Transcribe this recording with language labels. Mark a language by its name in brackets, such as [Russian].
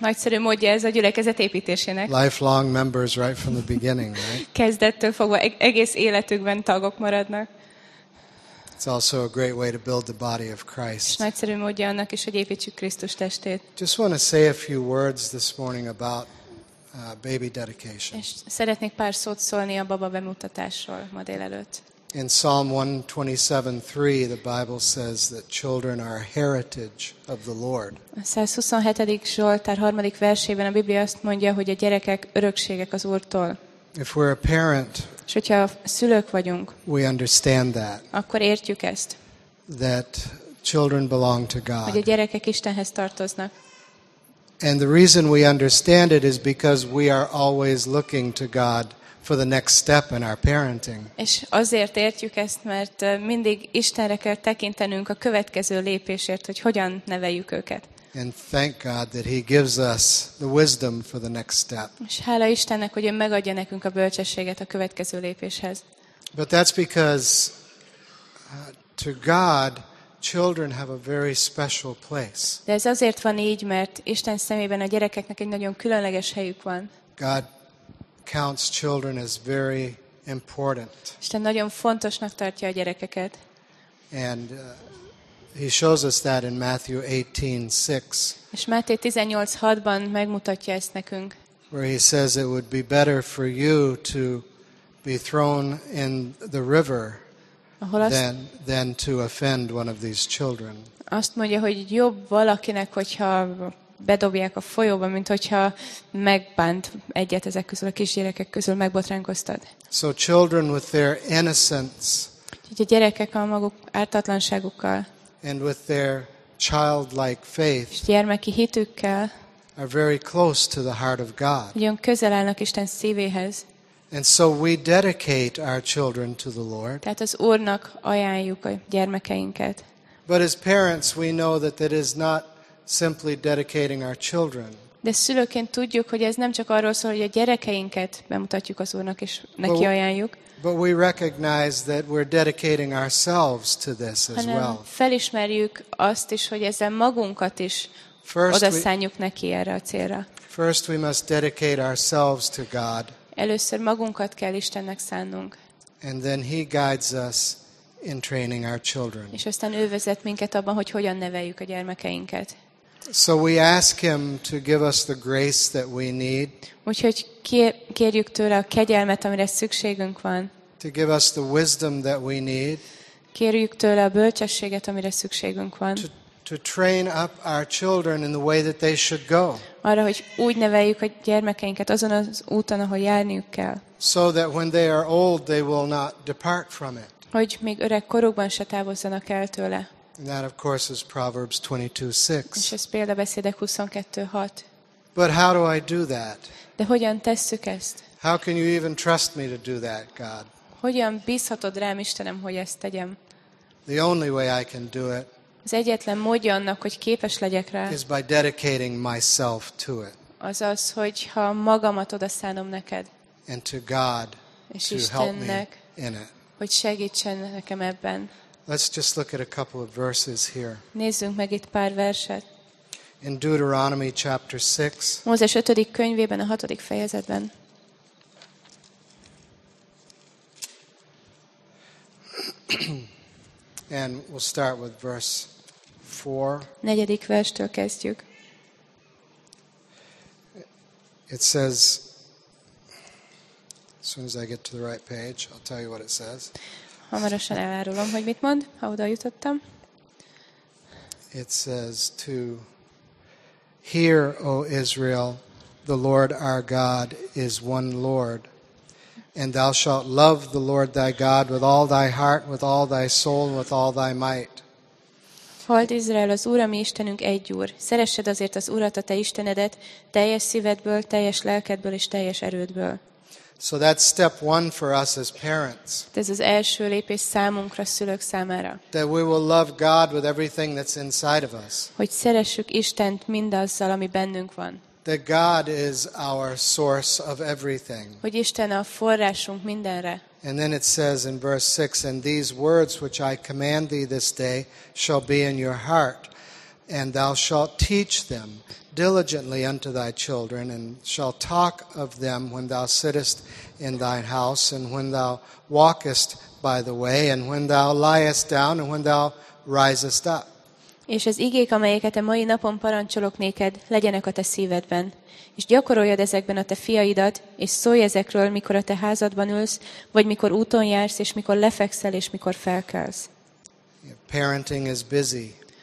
[Hungarian] Nagyszerű módja ez a gyülekezet építésének. [English] Lifelong members right from the beginning, right? [Hungarian] Kezdettől fogva egész életükben tagok maradnak. [English] It's also a great way to build the body of Christ. [Hungarian] Nagyszerű módja annak is, hogy építsük Krisztus testét. [English] Just want to say a few words this morning about baby dedication. [Hungarian] És szeretnék pár szót szólni a baba bemutatásról ma délelőtt. [English] In Psalm 127:3, the Bible says that children are a heritage of the Lord. [Hungarian] A 127. Zsoltár 3. versében a Biblia azt mondja, hogy a gyerekek örökségek az Úrtól. [English] If we're a parent, [Hungarian] és hogyha szülők vagyunk, [English] we understand that. [Hungarian] Akkor értjük ezt. [English] That children belong to God. [Hungarian] Hogy a gyerekek Istenhez tartoznak. [English] And the reason we understand it is because we are always looking to God for the next step in our parenting. [Hungarian] És azért értjük ezt, mert mindig Istenre kell tekintenünk a következő lépésért, hogy hogyan neveljük őket. [English] And thank God that he gives us the wisdom for the next step. [Hungarian] És hála Istennek, hogy ő megadja nekünk a bölcsességet a következő lépéshez. [English] But that's because to God children have a very special place. [Hungarian] De ez azért van így, mert Isten szemében a gyerekeknek egy nagyon különleges helyük van. [English] God counts children as very important. [Hungarian] Isten nagyon fontosnak tartja a gyerekeket. [English] And he shows us that in Matthew 18:6. [Hungarian] És Máté 18:6-ban megmutatja ezt nekünk. [English] Where he says it would be better for you to be thrown in the river than to offend one of these children. [Hungarian] Azt mondja, hogy jobb valakinek, hogyha bedobják a folyóba, mint hogyha megbánt egyet ezek közül, a kisgyerekek közül megbotránkoztad. [English] So children with their innocence. [Hungarian] Úgyhogy a gyerekek a maguk ártatlanságukkal. [English] And with their childlike faith. [Hungarian] És gyermeki hitükkel. [English] Are very close to the heart of God. [Hungarian] Nagyon közel állnak Isten szívéhez. [English] And so we dedicate our children to the Lord. [Hungarian] Tehát az Úrnak ajánljuk a gyermekeinket. [English] But as parents we know that it is not simply dedicating our children. [Hungarian] De szülőként tudjuk, hogy ez nem csak arról szól, hogy a gyerekeinket bemutatjuk az Úrnak és neki ajánljuk. [English] But we recognize that we're dedicating ourselves to this as well. [Hungarian] Felismerjük azt is, hogy ezzel magunkat is odaszánjuk neki erre a célra. [English] First we must dedicate ourselves to God. [Hungarian] Először magunkat kell Istennek szánnunk. [English] And then he guides us in training our children. [Hungarian] És aztán ő vezet minket abban, hogy hogyan neveljük a gyermekeinket. [English] So we ask him to give us the grace that we need. [Hungarian] Úgyhogy kérjük tőle a kegyelmet, amire szükségünk van. [English] To give us the wisdom that we need. [Hungarian] Kérjük tőle a bölcsességet, amire szükségünk van. [English] To train up our children in the way that they should go. [Hungarian] Arra, hogy úgy neveljük a gyermekeinket azon az úton, ahol járniuk kell. [English] So that when they are old, they will not depart from it. [Hungarian] Hogy még öreg korukban se távozzanak el tőle. [English] And that, of course, is Proverbs 22:6. [Hungarian] És ez Példabeszédek 22:6. [English] But how do I do that? [Hungarian] De hogyan tesszük ezt? [English] How can you even trust me to do that, God? [Hungarian] Hogyan bízhatod rám, Istenem, hogy ezt tegyem? [English] The only way I can do it. [Hungarian] Az egyetlen módja annak, hogy képes legyek rá. [English] Is by dedicating myself to it. [Hungarian] Azaz, hogyha magamat odaszánom neked. [English] And to God. [Hungarian] És Istennek. [English] To help me in it. [Hungarian] Hogy segítsen nekem ebben. [English] Let's just look at a couple of verses here. [Hungarian] Nézzünk meg itt pár verset. [English] In Deuteronomy chapter 6. [Hungarian] Mózes 5. könyvében a 6. fejezetben. [English] And we'll start with verse 4. [Hungarian] Negyedik verstől kezdjük. [English] It says, as soon as I get to the right page, I'll tell you what it says. [Hungarian] Hamarosan elárulom, hogy mit mond, ha oda jutottam. [English] It says to hear, O Israel, the Lord our God is one Lord. And thou shalt love the Lord thy God with all thy heart, with all thy soul, with all thy might. [Hungarian] Hold Izrael, az Úr, a mi Istenünk egy Úr. Szeressed azért az Urat, a te Istenedet, teljes szívedből, teljes lelkedből és teljes erődből. [English] So that's step one for us as parents. [Hungarian] Ez az első lépés számunkra, szülők számára. [English] That we will love God with everything that's inside of us. [Hungarian] Hogy szeressük Istent mindazzal, ami bennünk van. [English] That God is our source of everything. [Hungarian] Hogy Isten a forrásunk mindenre. [English] And then it says in verse 6, and these words which I command thee this day shall be in your heart, and thou shalt teach them diligently unto thy children, and shalt talk of them when thou sittest in thine house, and when thou walkest by the way, and when thou liest down, and when thou risest up. [Hungarian] És az igék, amelyeket a mai napon parancsolok néked, legyenek a te szívedben. És gyakoroljad ezekben a te fiaidat, és szólj ezekről, mikor a te házadban ülsz, vagy mikor úton jársz, és mikor lefekszel, és mikor felkelsz. [English] Parenting is busy.